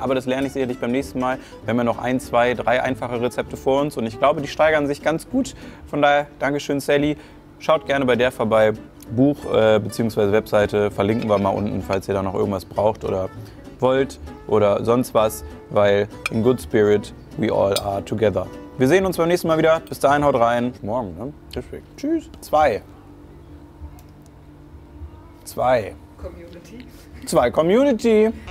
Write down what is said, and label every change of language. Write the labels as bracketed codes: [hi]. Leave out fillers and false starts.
[de] Aber das lerne ich sicherlich beim nächsten Mal. Wir haben ja noch ein, zwei, drei einfache Rezepte vor uns. Und ich glaube, die steigern sich ganz gut. Von daher, Dankeschön, Sally. Schaut gerne bei der vorbei. Buch bzw. Webseite verlinken wir mal unten, falls ihr da noch irgendwas braucht oder wollt oder sonst was. Weil [en] in good spirit, we all are together. [de] Wir sehen uns beim nächsten Mal wieder. Bis dahin, haut rein. Morgen, ne? Deswegen. Tschüss. Zwei. Zwei. Community. Zwei Community.